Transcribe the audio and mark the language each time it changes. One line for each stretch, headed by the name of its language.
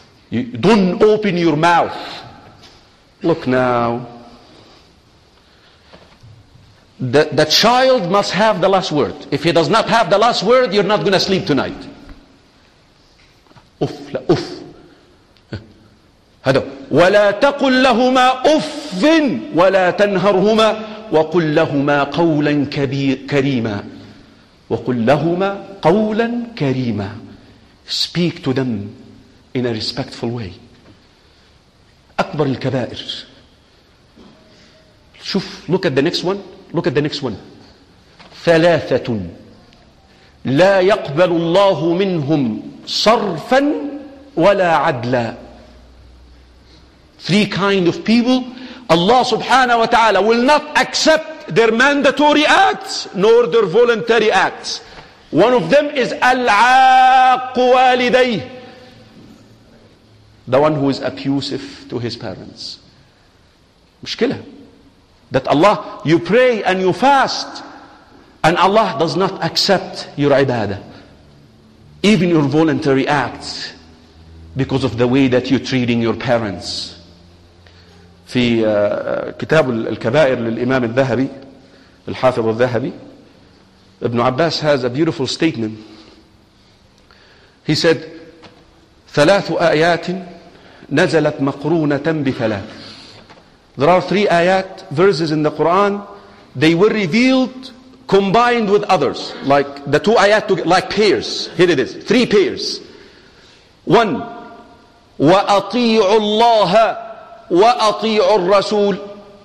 English: You don't open your mouth. Look now. The child must have the last word. If he does not have the last word, you're not going to sleep tonight. Uff, uff. هذا.
Arabic: ولا تقل لهما أف ولا تنهرهما وقل لهما قولا كريما وقل لهما قولا كريما.
English: Speak to them in a respectful way.
Arabic: أكبر الكبائر.
English: شوف, look at the next one. Look at the next one.
Arabic: ثلاثة لا يقبل الله منهم صرفا ولا عدلا.
English: Three kind of people Allah subhanahu wa ta'ala will not accept their mandatory acts nor their voluntary acts. One of them is العاق والديه, the one who is abusive to his parents. Mushkila. That Allah, you pray and you fast, and Allah does not accept your ibadah, even your voluntary acts, because of the way that you're treating your parents.
Arabic: في كتاب الكبائر للإمام الذهبي, الحافظ الذهبي, ابن عباس
English: has a beautiful statement. He said,
Arabic: ثلاث آيات نزلت مقرونة بثلاث.
English: There are three ayat, verses in the Quran, they were revealed combined with others, like the two ayat, like pairs. Here it is, three pairs. One,
Arabic: وَأَطِيعُ اللَّهَ وَأَطِيعُ الرَّسُولِ.